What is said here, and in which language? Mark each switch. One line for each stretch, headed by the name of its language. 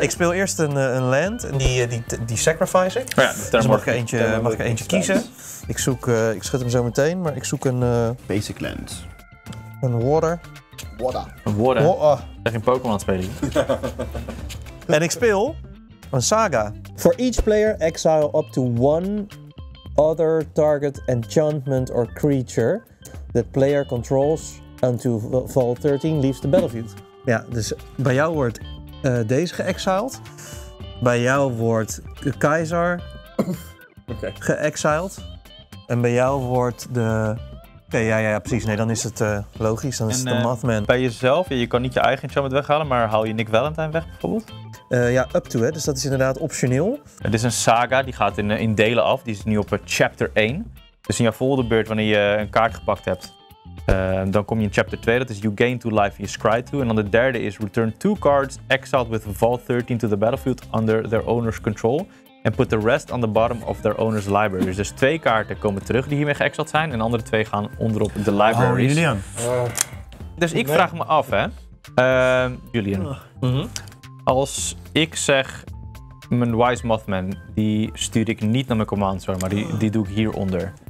Dutch: Ik speel eerst een land en die sacrifice ik. Oh ja, dus mag ik er eentje kiezen. Ik schud hem zo meteen, maar ik zoek een... Basic land. Een water. Water. Zeg in Pokémon aan het spelen. En ik speel een saga.
English: For each player, exile up to one other target enchantment or creature that player controls until fall 13 leaves the battlefield.
Dutch: Ja, dus bij jou wordt deze geëxiled. Bij jou wordt de keizer geëxiled. En bij jou wordt de... Ja, precies. Nee, dan is het logisch. Dan is het de Mothman. Bij jezelf, je kan niet je eigen enchantment weghalen, maar haal je Nick Valentine weg bijvoorbeeld? Ja, up to, hè. Dus dat is inderdaad optioneel. Het is een saga, die gaat in delen af. Die is nu op chapter 1. Dus in jouw volgende beurt, wanneer je een kaart gepakt hebt, dan kom je in chapter 2. Dat is
English: you gain 2 life and you scry 2.
Dutch: En dan de derde is
English: return 2 cards exiled with vault 13 to the battlefield under their owner's control. And put the rest on the bottom of their owner's library.
Dutch: Dus 2 kaarten komen terug die hiermee geëxiled zijn. En andere 2 gaan onderop de library. Oh, Julian. Dus ik vraag me af, hè. Julian. Als ik zeg, mijn Wise Mothman, die stuur ik niet naar mijn command zone, maar die doe ik hieronder.